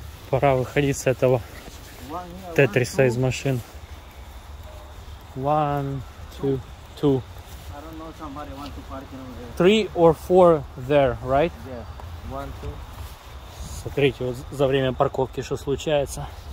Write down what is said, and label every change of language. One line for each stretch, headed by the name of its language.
Russian: Пора выходить с этого тетриса из машин.
English: One, two, two. I don't know somebody want to park in over there. Three or four there, right? Yeah. One, two.
Russian: Смотрите, вот за время парковки что случается.